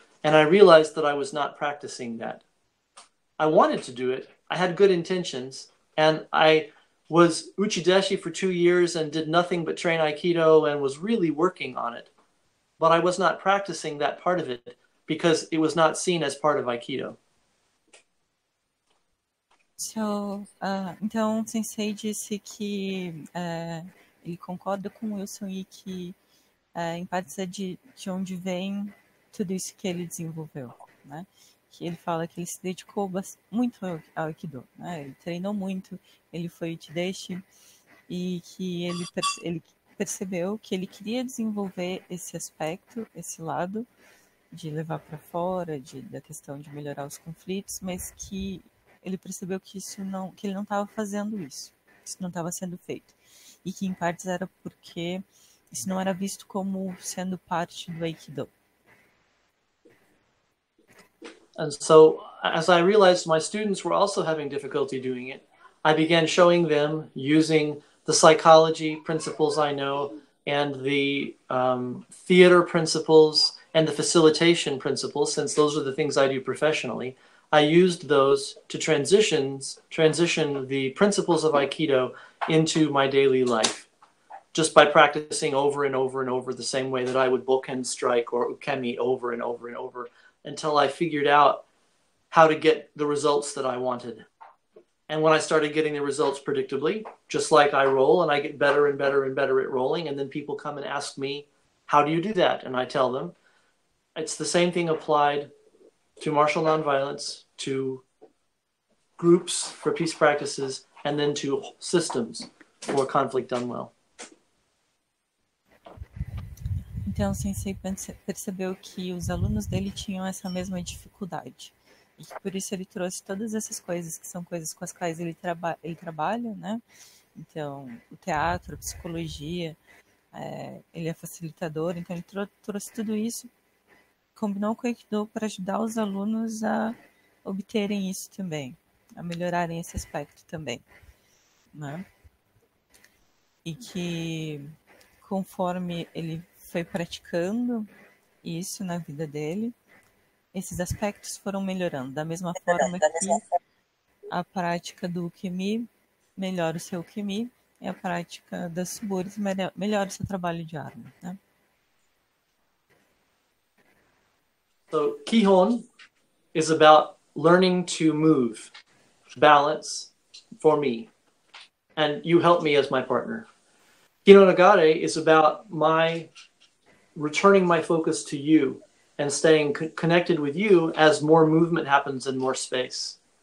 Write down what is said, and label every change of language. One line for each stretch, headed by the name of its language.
English: And I realized that I was not practicing that. I wanted to do it. I had good intentions. And I was uchideshi for 2 years and did nothing but train Aikido and was really working on it. But I was not practicing that part of it because it was not seen as part of Aikido.
Portuguese: So, então, o Sensei disse que ele concorda com Wilson e que em parte é de onde vem tudo isso que ele desenvolveu, né? Que ele fala que ele se dedicou muito ao Aikido, né? Ele treinou muito, ele foi uchideshi e que ele percebeu que ele queria desenvolver esse aspecto, esse lado de levar para fora, da questão de melhorar os conflitos, mas que ele percebeu que isso não, que ele não estava fazendo isso, que isso não estava sendo feito e que em partes era porque isso não era visto como sendo parte do Aikido.
English: And so as I realized my students were also having difficulty doing it, I began showing them using the psychology principles I know and the theater principles and the facilitation principles, since those are the things I do professionally. I used those to transition the principles of Aikido into my daily life just by practicing over and over and over the same way that I would bokken strike or ukemi over and over and over until I figured out how to get the results that I wanted. And when I started getting the results predictably, just like I roll and I get better and better and better at rolling, and then people come and ask me, how do you do that? And I tell them, it's the same thing applied to martial nonviolence, to groups for peace practices, and then to systems for conflict done well.
Portuguese: Então, Sensei percebeu que os alunos dele tinham essa mesma dificuldade. E por isso ele trouxe todas essas coisas, que são coisas com as quais ele trabalha, né? Então, o teatro, a psicologia, ele é facilitador, então ele trouxe tudo isso, combinou com o Aikido para ajudar os alunos a obterem isso também, a melhorarem esse aspecto também, né? E que conforme ele foi praticando isso na vida dele, esses aspectos foram melhorando, da mesma forma que a prática do Ukemi melhora o seu Ukemi e a prática das Suburis melhora o seu trabalho de arma, né?
English: So, Kihon is about learning to move, balance, for me. And you help me as my partner. Kihonogare is about my returning my focus to you and staying connected with you as more movement happens and more space.